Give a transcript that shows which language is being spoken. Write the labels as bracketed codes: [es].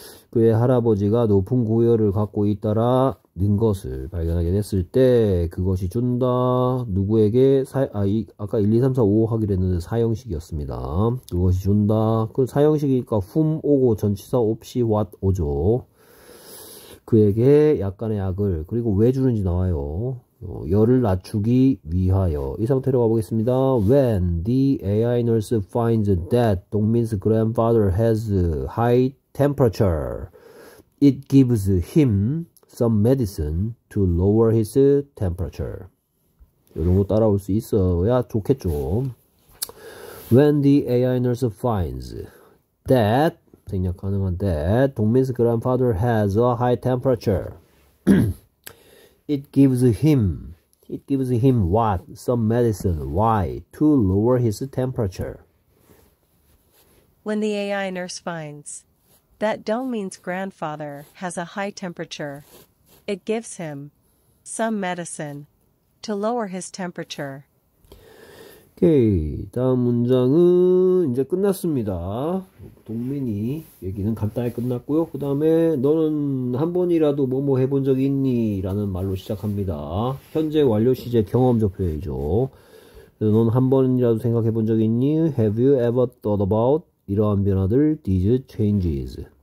[ko] 그의 할아버지가 높은 고열을 갖고 있다라는 것을 발견하게 됐을 때, 그것이 준다, 누구에게, 아까 1, 2, 3, 4, 5 하기로 했는데 사형식이었습니다. 그것이 준다. 그 사형식이니까, whom 오고 전치사 없이 what 오죠. 그에게 약간의 약을, 그리고 왜 주는지 나와요. 열을 낮추기 위하여. 이 상태로 가보겠습니다. [en] When the AI nurse finds that Dongmin's grandfather has high temperature, it gives him some medicine to lower his temperature. [ko] 이런 거 따라올 수 있어야 좋겠죠. [en] When the AI nurse finds that, [ko] 생략 가능한 [en] that, Dongmin's grandfather has a high temperature. It gives him what? Some medicine. Why? To lower his temperature. When the AI nurse finds that Dong Min's grandfather has a high temperature, it gives him some medicine to lower his temperature. [ko] Okay, 다음 문장은 이제 끝났습니다. 동민이 얘기는 간단히 끝났고요. 그 다음에 너는 한 번이라도 뭐뭐 해본 적이 있니? 라는 말로 시작합니다. 현재 완료 시제 경험적 표현이죠. 그래서 넌 한 번이라도 생각해 본 적이 있니? [en] Have you ever thought about [ko] 이러한 변화들, [en] these changes?